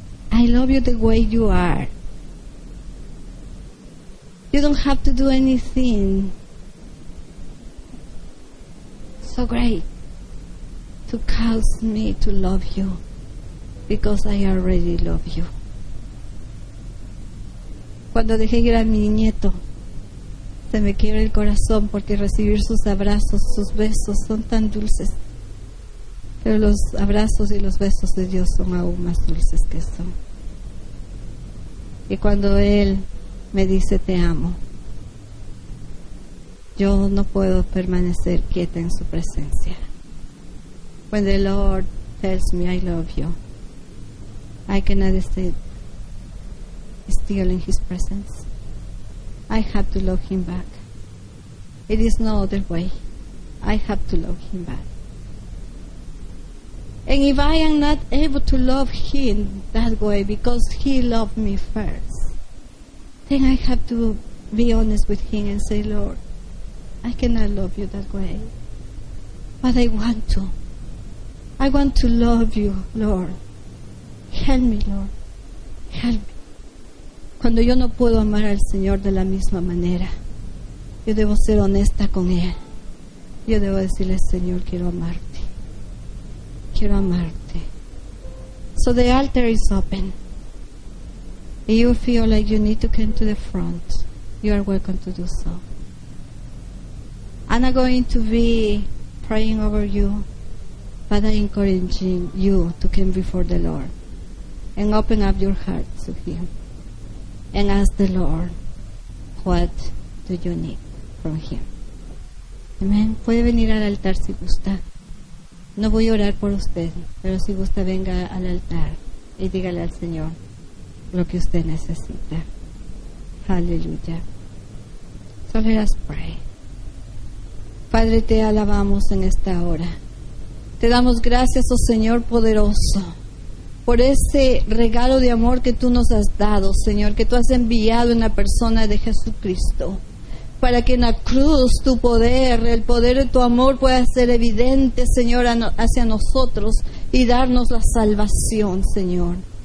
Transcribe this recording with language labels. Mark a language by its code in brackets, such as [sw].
[en] I love you the way you are. You don't have to do anything so great to cause me to love you, because I already love you. [es] Cuando dejé ir a mi nieto, se me quiebra el corazón porque recibir sus abrazos, sus besos son tan dulces. Pero los abrazos y los besos de Dios son aún más dulces que eso. Y cuando Él me dice te amo, yo no puedo permanecer quieta en su presencia. [en] When the Lord tells me I love you, I cannot stay still in His presence. I have to love Him back. It is no other way. I have to love Him back. And if I am not able to love Him that way because He loved me first, then I have to be honest with Him and say, Lord, I cannot love you that way. But I want to. I want to love you, Lord. Help me, Lord. help me. [es] Cuando yo no puedo amar al Señor de la misma manera, yo debo ser honesta con Él. Yo debo decirle, Señor, quiero amarte. Quiero amarte. [en] So the altar is open. If you feel like you need to come to the front, you are welcome to do so. I'm not going to be praying over you, but I'm encouraging you to come before the Lord and open up your heart to Him and ask the Lord, what do you need from Him? [es] Amen. Puede venir al altar si gusta. No voy a orar por usted, pero si gusta, venga al altar y dígale al Señor lo que usted necesita. Aleluya. [en] So let us pray. [es] Padre, te alabamos en esta hora. Te damos gracias, oh Señor poderoso, por ese regalo de amor que tú nos has dado, Señor, que tú has enviado en la persona de Jesucristo, para que en la cruz tu poder, el poder de tu amor, pueda ser evidente, Señor, hacia nosotros y darnos la salvación, Señor.